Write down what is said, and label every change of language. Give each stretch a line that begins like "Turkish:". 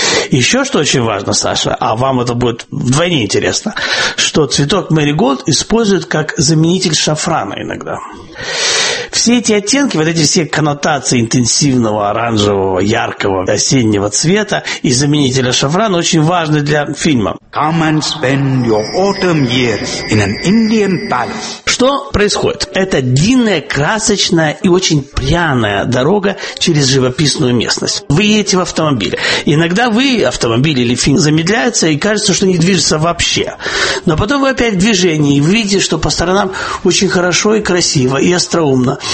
Russian: Еще что очень важно, Саша, а вам это будет вдвойне интересно, что цветок «Мэриголд» используют как заменитель шафрана иногда. Все эти оттенки, вот эти все коннотации интенсивного оранжевого, яркого, осеннего цвета и заменителя шафрана очень важны для фильма.
English: Come and spend your autumn years in an Indian palace.
Russian: Что происходит? Это длинная, красочная и очень пряная дорога через живописную местность. Вы едете в автомобиле. Иногда вы, автомобиль или фильм, замедляется и кажется, что не движется вообще. Но потом вы опять в движении и видите, что по сторонам очень хорошо и красиво, и остроумно.